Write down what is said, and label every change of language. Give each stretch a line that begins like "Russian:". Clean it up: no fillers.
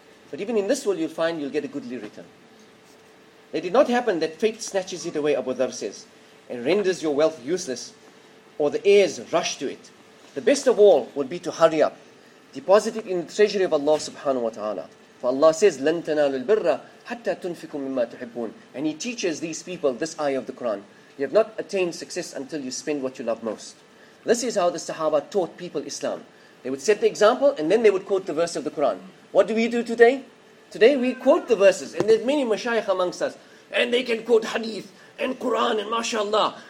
English: But even in this world, you'll find you'll get a goodly return. It did not happen that fate snatches it away, Abu Dharr says, and renders your wealth useless, or the heirs rush to it. The best of all would be to hurry up, deposit it in the treasury of Allah subhanahu wa ta'ala. For Allah says,
Arabic: لَن تَنَالُ الْبِرَّ حَتَّى تُنْفِكُم مِمَّا تُحِبُّونَ.
English: And He teaches these people this ayah of the Quran. You have not attained success until you spend what you love most. This is how the Sahaba taught people Islam. They would set the example and then they would quote the verse of the Quran. What do we do today? Today we quote the verses, and there's many mashayikh amongst us, and they can quote hadith and Quran and mashallah.